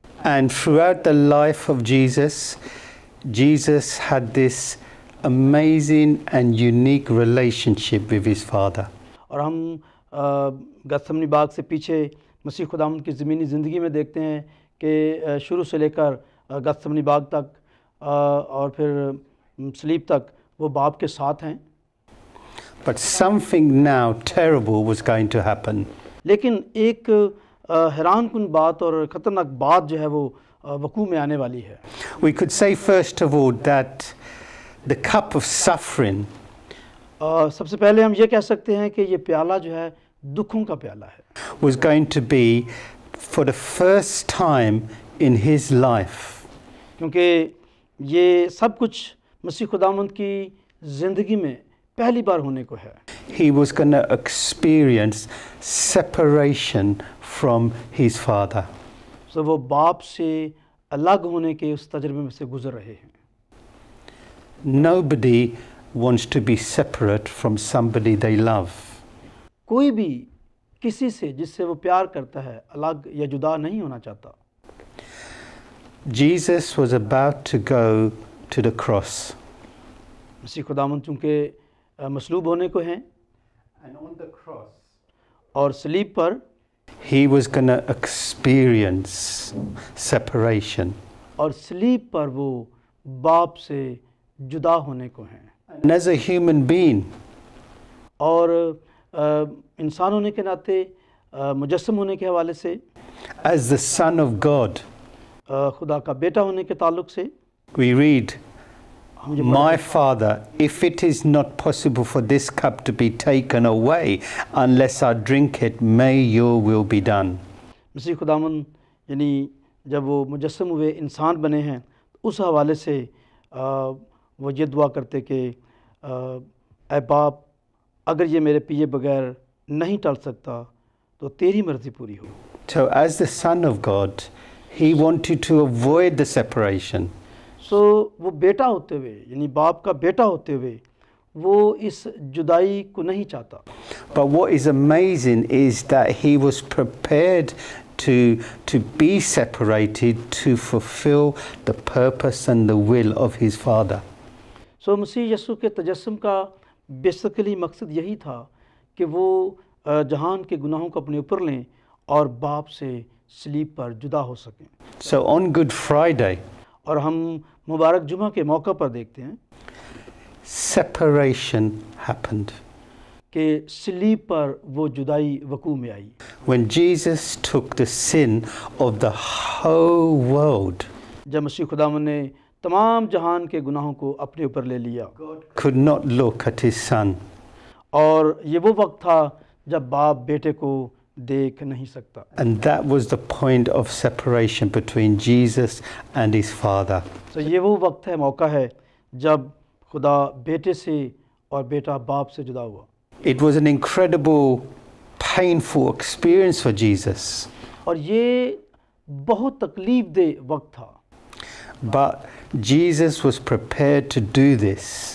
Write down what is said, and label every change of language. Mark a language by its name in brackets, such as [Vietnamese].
[English] And throughout the life of Jesus, Jesus had this amazing and unique relationship with his father. [Urdu] اور ہم گتسمنی باغ سے پیچھے مسیح خداوند کی زمینی زندگی میں دیکھتے ہیں کہ شروع سے لے کر گتسمنی باغ تک اور پھر صلیب تک وہ باپ کے ساتھ ہیں۔ [English] But something now terrible was going to happen. [Urdu] لیکن ایک حیران کن بات اور خطرناک بات جو ہے وہ وقوع میں آنے والی ہے۔ [English] We could say first of all that the cup of suffering, [Urdu] سب سے پہلے ہم یہ کہہ سکتے ہیں کہ یہ پیالہ جو ہے دکھوں کا پیالہ ہے، [English] was going to be for the first time in his life. [Urdu] کیونکہ یہ سب کچھ مسیح خداوند کی زندگی میں پہلی بار ہونے کو ہے۔ [English] He was going to experience separation from his father. [Urdu] سو وہ باپ سے الگ ہونے کے اس تجربے میں سے گزر رہے ہیں۔ [English] Nobody wants to be separate from somebody they love. [Urdu] کوئی بھی کسی سے جس سے وہ پیار کرتا ہے الگ یا جدا نہیں ہونا چاہتا۔ [English] Jesus was about to go to the cross. [Urdu] مسیح خداوند چونکہ مصلوب ہونے کو ہیں، [English] and on the cross, [Urdu] اور صلیب پر [English] he was going to experience separation. [Urdu] اور صلیب پر وہ باپ سے جدا ہونے کو ہیں۔ [English] And as a human being, [Urdu] اور انسان ہونے کے ناطے، مجسم ہونے کے حوالے سے، [English] as the son of God, [Urdu] خدا کا بیٹا ہونے کے تعلق سے، [English] we read, my father, if it is not possible for this cup to be taken away unless I drink it, may your will be done. [Urdu] مسیح خداوند یعنی جب وہ مجسم ہوئے انسان بنے ہیں، اس حوالے سے وہ یہ دعا کرتے کہ اے باپ اگر یہ میرے پیے بغیر نہیں ٹل سکتا تو تیری مرضی پوری ہو. [English] So as the son of God, he wanted to avoid the separation. [Urdu] So وہ بیٹا ہوتے ہوئے یعنی باپ کا بیٹا ہوتے ہوئے وہ اس جدائی کو نہیں چاہتا. [English] But what is amazing is that he was prepared to be separated to fulfill the purpose and the will of his father. [Urdu] So مسیح یسوع کے تجسم کا بیسیکلی مقصد یہی تھا کہ وہ جہان کے گناہوں کو اپنے اوپر لیں اور باپ سے سلیب پر جدا ہو سکیں. [English] So on Good Friday, [Urdu] اور ہم مبارک جمعہ کے موقع پر دیکھتے ہیں, [English] separation happened. [Urdu] کہ سلیب پر وہ جدائی وقوع میں آئی. [English] When Jesus took the sin of the whole world, [Urdu] جب مسیح خداوند نے تمام جہان کے گناہوں کو اپنے اوپر لے لیا, [English] could not look at his son. [Urdu] اور یہ وہ وقت تھا جب باپ بیٹے کو دیکھ نہیں سکتا. [English] And that was the point of separation between Jesus and his father. [Urdu] So یہ وہ وقت ہے, موقع ہے جب خدا بیٹے سے اور بیٹا باپ سے جدا ہوا. [English] It was an incredible, painful experience for Jesus. [Urdu] اور یہ بہت تکلیف دہ وقت تھا. [English] But Jesus was prepared to do this.